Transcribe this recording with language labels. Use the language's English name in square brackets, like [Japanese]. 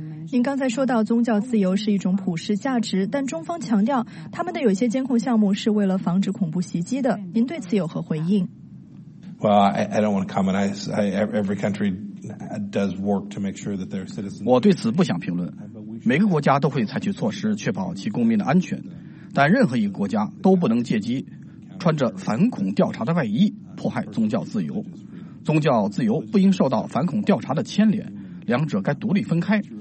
[Chinese] 您刚才说到宗教自由是一种普世价值，但中方强调他们的有些监控项目是为了防止恐怖袭击的，您对此有何回应？ [English] Well, I don't want to comment. Every country does work to make sure that their citizens. [Chinese] 我对此不想评论，每个国家都会采取措施确保其公民的安全，但任何一个国家都不能借机穿着反恐调查的外衣迫害宗教自由。宗教自由不应受到反恐调查的牵连，两者该独立分开。